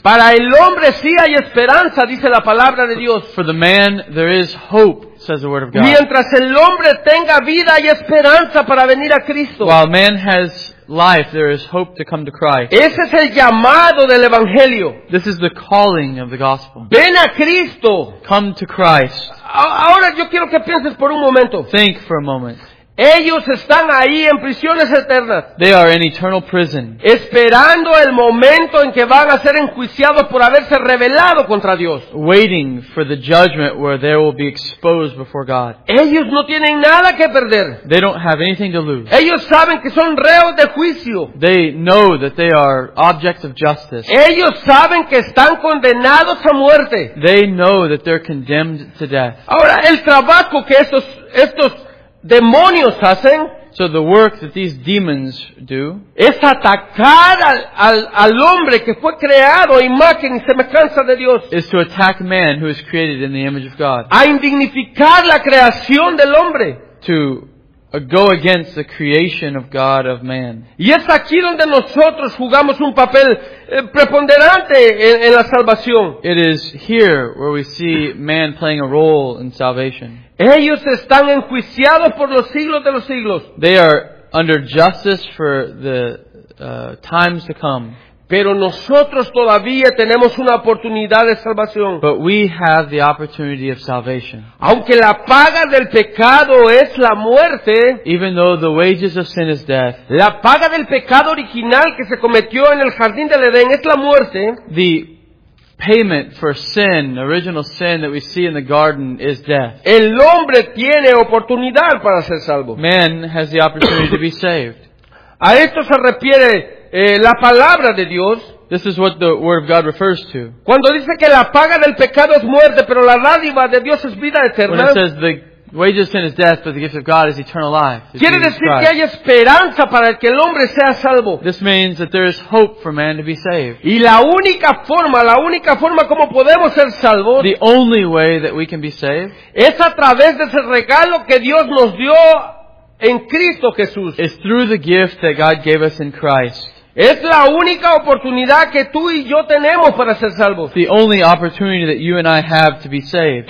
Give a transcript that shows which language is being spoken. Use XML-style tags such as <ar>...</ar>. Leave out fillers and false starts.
<es>Para el hombre sí hay esperanza, dice la palabra de Dios.</es> <en>For the man, there is hope, says the word of God.</en> <es>Mientras el hombre tenga vida, hay esperanza para venir a Cristo.</es> <en>While man has life, there is hope to come to Christ.</en> <es>Ese es el llamado del evangelio.</es> <en>This is the calling of the gospel.</en> <es>Ven a Cristo.</es> <en>Come to Christ.</en> <es>Ahora yo quiero que pienses por un momento.</es> <en>Think for a moment.</en> <es>Ellos están ahí en prisiones eternas.</es> <en>They are in eternal prison.</en> <es>Esperando el momento en que van a ser enjuiciados por haberse rebelado contra Dios.</es> <en>Waiting for the judgment where they will be exposed before God.</en> <es>Ellos no tienen nada que perder.</es> <en>They don't have anything to lose.</en> <es>Ellos saben que son reos de juicio.</es> <en>They know that they are objects of justice.</en> <es>Ellos saben que están condenados a muerte.</es> <en>They know that they're condemned to death.</en> <es>Ahora, el trabajo que estos demonios hacen,</es> <en>so the work that these demons do</en> <es>es atacar al hombre que fue creado a imagen y semejanza de Dios,</es> <en>is to attack man who is created in the image of God,</en> <es>a indignificar la creación del hombre,</es> <en>to go against the creation of God of man.</en> <es>Y es aquí donde nosotros jugamos un papel preponderante en la salvación.</es> <en>It is here where we see man playing a role in salvation.</en> <es>Ellos están enjuiciados por los siglos de los siglos.</es> <en>They are under justice for the times to come.</en> <es>Pero nosotros todavía tenemos una oportunidad de salvación.</es> <en>But we have the opportunity of salvation.</en> <es>Aunque la paga del pecado es la muerte,</es> <en>even though the wages of sin is death,</en> <es>la paga del pecado original que se cometió en el jardín del Edén es la muerte.</es> <en>The payment for sin, original sin that we see in the garden, is death.</en> <es>El hombre tiene oportunidad para ser salvo.</es> <en>Man has the opportunity to be saved.</en> <es>A esto se refiere la palabra de Dios.</es> <en>This is what the word of God refers to.</en> <es>Cuando dice que la paga del pecado es muerte, pero la dádiva de Dios es vida eterna.</es> <en>When it says the wages of sin is death, but the gift of God is eternal life.</en> <es>Quiere decir que hay esperanza para que el hombre sea salvo.</es> <en>This means that there is hope for man to be saved.</en> <es>Y la única forma como podemos ser salvos,</es> <en>the only way that we can be saved,</en> <es>es a través de ese regalo que Dios nos dio en Cristo Jesús.</es> <en>It's through the gift that God gave us in Christ.</en> <es>Es la única oportunidad que tú y yo tenemos para ser salvos.</es> <en>The only opportunity that you and I have to be saved.</en>